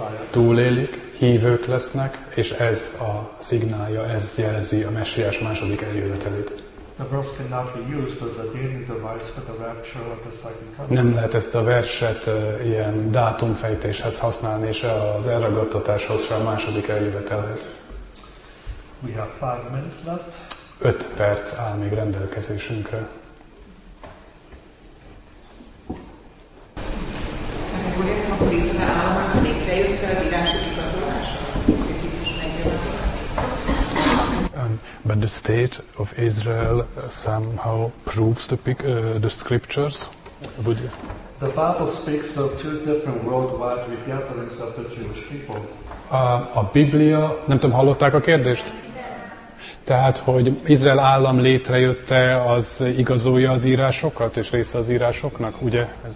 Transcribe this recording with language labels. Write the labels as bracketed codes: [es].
[hu] Túlélik, hívők lesznek, és ez a szignálja, ez jelzi a Messiás második eljövetelét. [en] The verse cannot be used as a dating device for the rapture of the second coming. [hu] Nem lehet ezt a verset ilyen dátumfejtéshez használni, és az elragadtatáshoz, a második eljövetelhez. [en] We have 5 minutes left. [hu] 5 perc áll még rendelkezésünkre. [en] But the state of Israel somehow proves the scriptures. Would you? The Bible speaks of two different worldwide regatherings of the Jewish people. [hu] A Biblia, nem tudom, hallották a kérdést? Tehát, hogy Izrael állam létrejötte, az igazolja az írásokat és része az írásoknak, ugye?